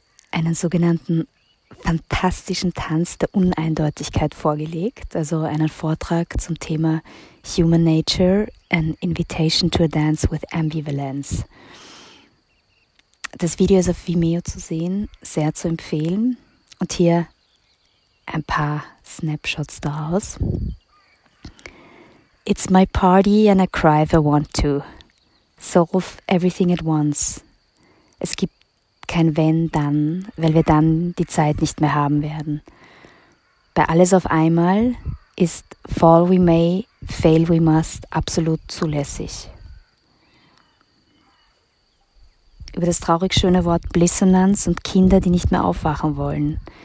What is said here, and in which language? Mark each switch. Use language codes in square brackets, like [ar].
[de] einen sogenannten fantastischen Tanz der Uneindeutigkeit vorgelegt, also einen Vortrag zum Thema Human Nature, an Invitation to a Dance with Ambivalence. Das Video ist auf Vimeo zu sehen, sehr zu empfehlen. Und hier ein paar Snapshots daraus. [en] It's my party and I cry if I want to. Solve everything at once. [de] Es gibt kein Wenn, Dann, weil wir dann die Zeit nicht mehr haben werden. Bei alles auf einmal ist [en] Fall we may, fail we must [de] absolut zulässig. Über das traurig schöne Wort Blissonanz und Kinder, die nicht mehr aufwachen wollen.